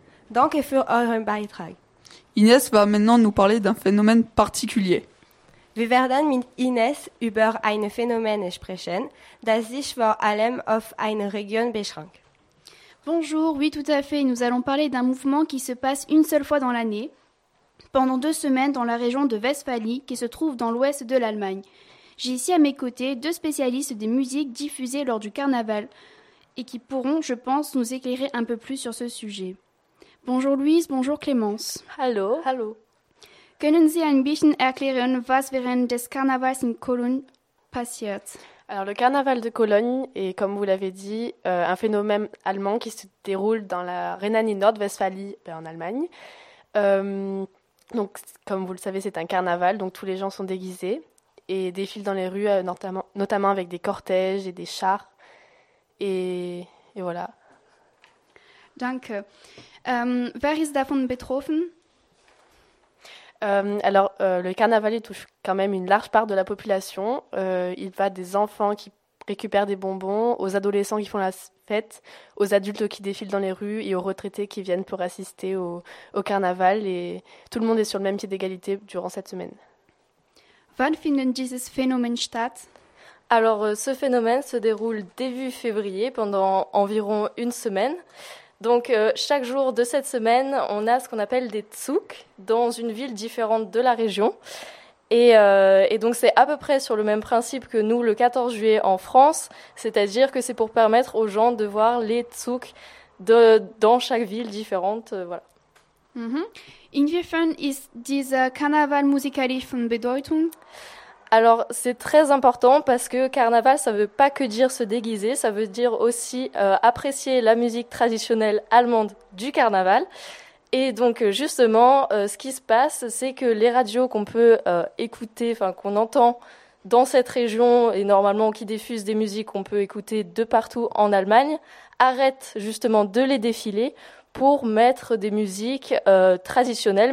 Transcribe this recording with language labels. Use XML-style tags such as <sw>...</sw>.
<de>Danke für euren Beitrag.</de> <fr>Inès va maintenant nous parler d'un phénomène particulier.</fr> <de>Wir werden mit Inès über ein Phänomen sprechen, das sich vor allem auf eine Region beschränkt.</de> <fr>Bonjour, oui tout à fait. Nous allons parler d'un mouvement qui se passe une seule fois dans l'année, pendant 2 semaines dans la région de Westphalie, qui se trouve dans l'ouest de l'Allemagne. J'ai ici à mes côtés 2 spécialistes des musiques diffusées lors du carnaval, et qui pourront, je pense, nous éclairer un peu plus sur ce sujet. Bonjour Louise, bonjour Clémence.</fr> <de>Hallo. Hallo. Können Sie ein bisschen erklären, was während des Karnevals in Cologne passiert?</de> <fr>Alors le carnaval de Cologne est, comme vous l'avez dit, un phénomène allemand qui se déroule dans la Rhénanie-Nord-Westphalie, ben, en Allemagne. Donc, comme vous le savez, c'est un carnaval, donc tous les gens sont déguisés et défilent dans les rues, notamment avec des cortèges et des chars. Et voilà.</fr> <de>Danke. Wer ist davon betroffen? Alors, le carnaval touche quand même une large part de la population. Il va des enfants qui récupèrent des bonbons, aux adolescents qui font la fête, aux adultes qui défilent dans les rues et aux retraités qui viennent pour assister au carnaval. Et tout le monde est sur le même pied d'égalité durant cette semaine. Wann finden dieses Phänomen statt?</de> <fr>Alors, ce phénomène se déroule début février pendant environ une semaine. Donc, chaque jour de cette semaine, on a ce qu'on appelle des Zugs dans une ville différente de la région. Et donc, c'est à peu près sur le même principe que nous, le 14 juillet en France. C'est-à-dire que c'est pour permettre aux gens de voir les Zugs dans chaque ville différente. Voilà. Mm-hmm.</fr> <de>Inwiefern ist dieser Karneval musikalisch von Bedeutung?</de> <fr>Alors, c'est très important parce que carnaval, ça veut pas que dire se déguiser, ça veut dire aussi apprécier la musique traditionnelle allemande du carnaval. Et donc, justement, ce qui se passe, c'est que les radios qu'on peut écouter, enfin, qu'on entend dans cette région et normalement qui diffusent des musiques qu'on peut écouter de partout en Allemagne, arrêtent justement de les défiler pour mettre des musiques traditionnelles.</fr>